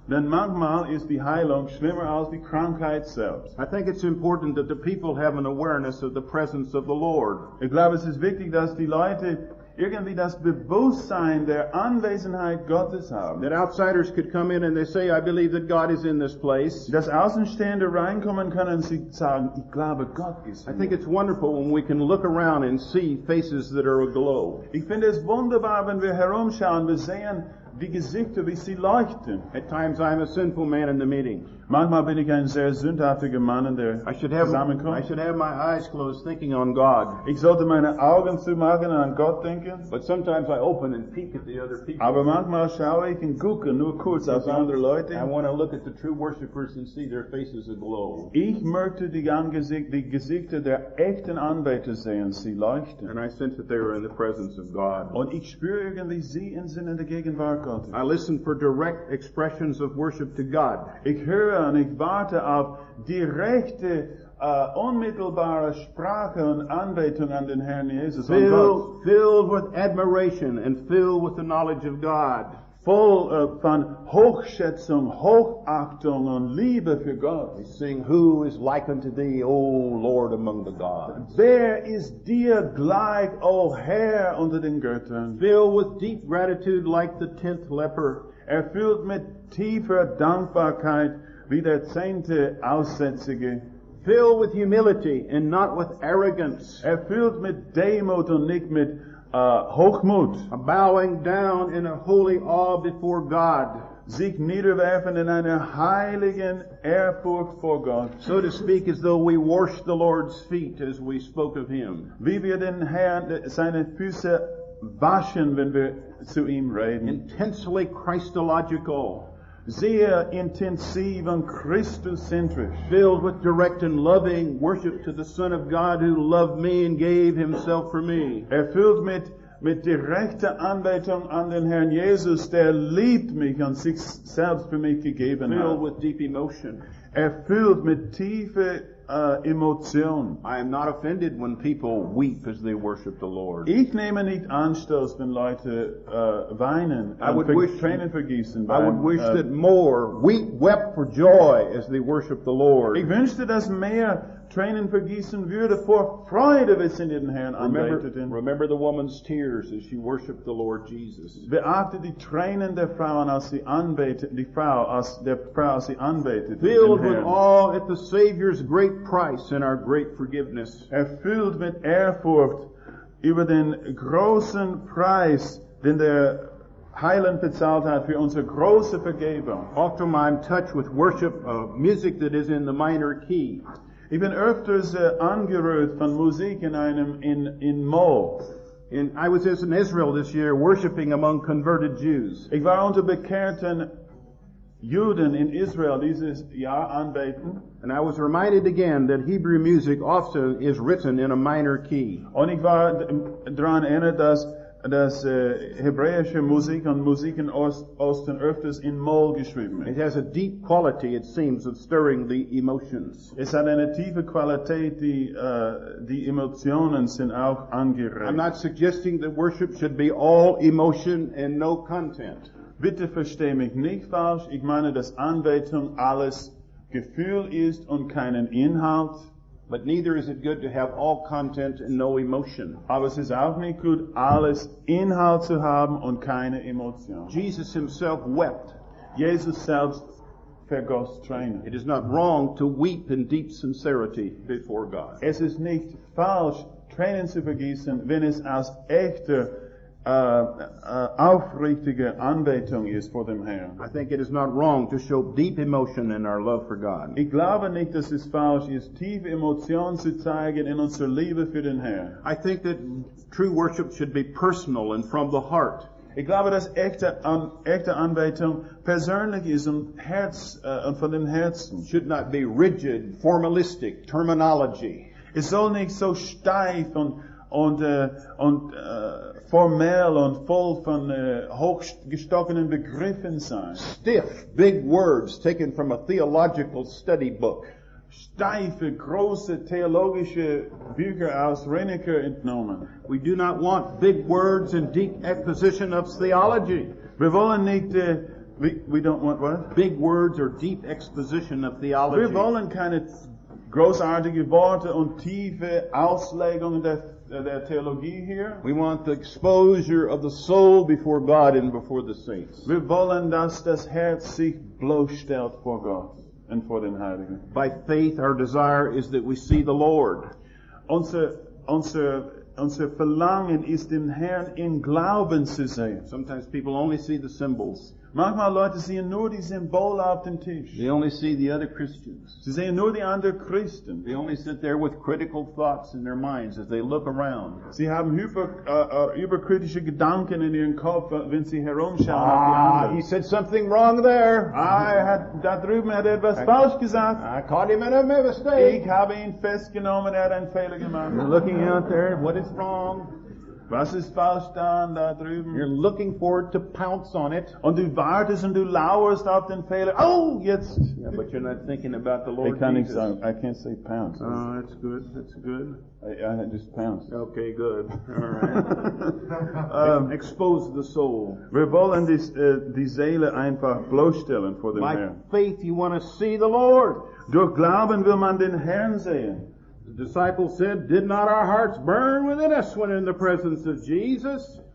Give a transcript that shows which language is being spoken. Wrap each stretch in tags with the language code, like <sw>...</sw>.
<de>Denn manchmal ist die Heilung schlimmer als die Krankheit selbst.</de> <en>I think it's important that the people have an awareness of the presence of the Lord.</en> <de>Ich glaube, es ist wichtig, dass die Leute irgendwie das Bewusstsein der Anwesenheit Gottes haben.</de> <en>That outsiders could come in and they say, I believe that God is in this place.</en> <de>Dass Außenstehende reinkommen können und sie sagen, ich glaube, Gott ist hier.</de> <en>I think it's wonderful when we can look around and see faces that are aglow.</en> <de>Ich finde es wunderbar, wenn wir herumschauen, wir sehen die Gesichter, wie sie leuchten.</de> <en>At times I am a sinful man in the meeting.</en> <de>Manchmal bin ich ein sehr sündhaftiger Mann in der Zusammenkunft.</de> <en>I should have my eyes closed thinking on God.</en> <de>Ich sollte meine Augen zumachen und an Gott denken.</de> <en>But sometimes I open and peek at the other people.</en> <de>Aber manchmal schaue ich und gucke nur kurz auf andere Leute.</de> <en>I want to look at the true worshipers and see their faces aglow.</en> <de>Ich möchte die Gesichter der echten Anbeter sehen, sie leuchten.</de> <en>And I sense that they are in the presence of God.</en> <de>Und ich spüre irgendwie sie in sinnen der Gegenwart Gottes.</de> <en>I listen for direct expressions of worship to God.</en> <de>Ich höre und ich warte auf direkte, unmittelbare Sprache und Anbetung an den Herrn Jesus.</de> <en>Filled with admiration and filled with the knowledge of God.</en> <de>Voll von Hochschätzung, Hochachtung und Liebe für Gott.</de> <en>We sing, who is like unto thee, O Lord among the gods?</en> <de>Wer ist dir gleich, O Herr unter den Göttern?</de> <en>Filled with deep gratitude like the tenth leper.</en> <de>Erfüllt mit tiefer Dankbarkeit wie der zehnte Aussätzige.</de> <en>Filled with humility and not with arrogance.</en> <de>Erfüllt mit Demut und nicht mit Hochmut.</de> <en>Bowing down in a holy awe before God.</en> <de>Sich niederwerfen in einer heiligen Ehrfurcht vor Gott.</de> <en>So to speak, as though we washed the Lord's feet as we spoke of Him.</en> <de>Wie wir den Herrn seine Füße waschen, wenn wir zu ihm reden.</de> <en>Intensely Christological.</en> <de>Sehr intensiv und Christus-zentrisch.</de> <en>Filled with direct and loving worship to the Son of God who loved me and gave himself for me.</en> <de>Erfüllt mit direkter Anbetung an den Herrn Jesus, der liebt mich und sich selbst für mich gegeben hat.</de> <en>Filled with deep emotion.</en> <de>Erfüllt mit tiefe Emotion.</de> <en>I am not offended when people weep as they worship the Lord.</en> <de>Ich nehme nicht Anstoß, wenn Leute weinen.</de> <en>I would wish that more wept for joy as they worship the Lord.</en> <de>Ich wünschte, dass mehr tränen vergießen würde vor Freude, wenn sie den Herrn anbeteten.</de> <en>Remember the woman's tears as she worshiped the Lord Jesus.</en> <de>Beachte die Tränen der Frau, als sie anbetete,</de> <en>Filled with awe at the Savior's great price and our great forgiveness.</en> <de>Erfüllt mit Ehrfurcht über den großen Preis, den der Heiland bezahlt hat für unsere große Vergebung.</de> <en>Often I'm touched with worship of music that is in the minor key.</en> <de>Ich bin öfters angerührt von Musik in einem in Moll.</de> <en>And I was in Israel this year worshiping among converted Jews.</en> <de>Ich war unter bekehrten Juden in Israel dieses Jahr anbeten.</de> <en>And I was reminded again that Hebrew music often is written in a minor key.</en> <de>Und ich war daran erinnert, dass hebräische Musik und Musik in Osten öfters in Moll geschrieben ist.</de> <en>It has a deep quality, it seems, of stirring the emotions.</en> <de>Es hat eine tiefe Qualität, die Emotionen sind auch angeregt.</de> <en>I'm not suggesting that worship should be all emotion and no content.</en> <de>Bitte versteh mich nicht falsch. Ich meine, dass Anbetung alles Gefühl ist und keinen Inhalt.</de> <en>But neither is it good to have all content and no emotion.</en> <de>Aber es ist auch nicht gut, alles Inhalt zu haben und keine Emotion.</de> <en>Jesus himself wept.</en> <de>Jesus selbst vergoss Tränen.</de> <en>It is not wrong to weep in deep sincerity before God.</en> <de>Es ist nicht falsch, Tränen zu vergießen, wenn es aus echter aufrichtige Anbetung ist vor dem Herrn.</de> <en>I think it is not wrong to show deep emotion in our love for God.</en> <de>Ich glaube nicht, dass es falsch ist, tiefe Emotionen zu zeigen in unserer Liebe für den Herrn.</de> <en>I think that true worship should be personal and from the heart.</en> <de>Ich glaube, dass echte Anbetung persönlich ist und von dem Herzen.</de> <en>Should not be rigid, formalistic terminology.</en> <de>Es soll nicht so steif und und formell und voll von hochgestochenen Begriffen sein.</de> <en>Stiff, big words taken from a theological study book.</en> <de>Steife, große theologische Bücher aus Reneker entnommen.</de> <en>We do not want big words and deep exposition of theology.</en> <de>Wir wollen nicht,</de> <en>we don't want what? Big words or deep exposition of theology.</en> <de>Wir wollen keine großartige Worte und tiefe Auslegungen der Theologie hier.</de> <en>We want the exposure of the soul before God and before the saints.</en> <de>Wir wollen, dass das Herz sich bloßstellt vor Gott. And for den Heiligen.</de> <en>By faith, our desire is that we see the Lord.</en> <de>Unser Verlangen ist den Herrn in Glauben zu sehen.</de> <en>Sometimes people only see the symbols.</en> <de>Manchmal Leute sehen nur die Symbole auf dem Tisch.</de> <en>They only see the other Christians.</en> <de>Sie sehen nur die anderen Christen.</de> <en>They only sit there with critical thoughts in their minds as they look around.</en> <de>Sie haben überkritische Gedanken in ihren Kopf, wenn sie herumschauen.</de> <en>Ah, he said something wrong there.</en> <de>Da drüben hat etwas falsch gesagt.</de> <en>I caught him in a mistake.</en> <de>Ich habe ihn festgenommen, er hat einen Fehler gemacht.</de> <en>You're looking out there, what is wrong?</en> <de>Was ist falsch dann da drüben?</de> <en>You're looking forward to pounce on it.</en> <de>Und du wartest und du lauerst auf den Fehler. Oh, jetzt!</de> <en>Yeah, but you're not thinking about the Lord I can't Jesus. I can't say pounce. Oh, that's good. That's good. I just pounce. Okay, good. All right. expose the soul.</en> <de>Wir wollen die Seele einfach bloßstellen vor dem Herrn.</de> <en>By faith you want to see the Lord.</en> <de>Durch Glauben will man den Herrn sehen.</de> <en>The disciples said, "Did not our hearts burn within us when in the presence of Jesus?"</en>